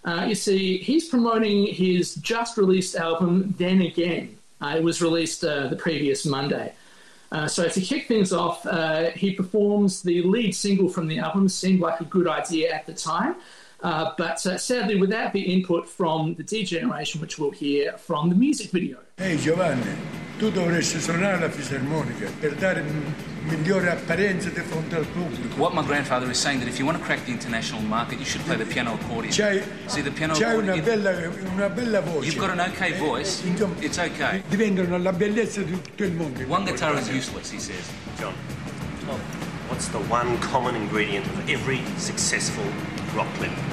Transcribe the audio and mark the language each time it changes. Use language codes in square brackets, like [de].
[en] You see, he's promoting his just-released album, Then Again. It was released the previous Monday. So to kick things off, he performs the lead single from the album. Seemed like a good idea at the time. But sadly, without the input from the D-Generation, which we'll hear from the music video. [it] Hey, Giovanni, tu dovresti suonare la fisarmonica per dare migliore apparenza di fronte al pubblico. [en] What my grandfather is saying that if you want to crack the international market, you should play the piano accordion. See, the piano accordion. [it] Una bella voce. [en] You've got an okay voice. It's okay. [it] Diventano la bellezza di tutto il mondo. [en] One guitar is useless, he says. John, what's the one common ingredient of every successful rock clip?